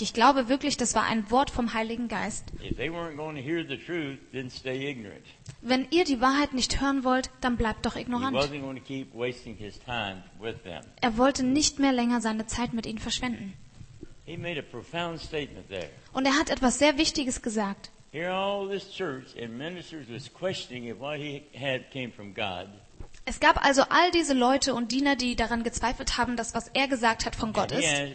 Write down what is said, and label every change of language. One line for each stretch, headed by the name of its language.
German: Ich glaube wirklich, das war ein Wort vom Heiligen Geist. Wenn ihr die Wahrheit nicht hören wollt, dann bleibt doch ignorant. Er wollte nicht mehr länger seine Zeit mit ihnen verschwenden. Und er hat etwas sehr Wichtiges gesagt.
English: Here all this church and ministers was questioning if what he had came from God.
German: Es gab also all diese Leute und Diener, die daran gezweifelt haben, dass was er gesagt hat von Gott ist.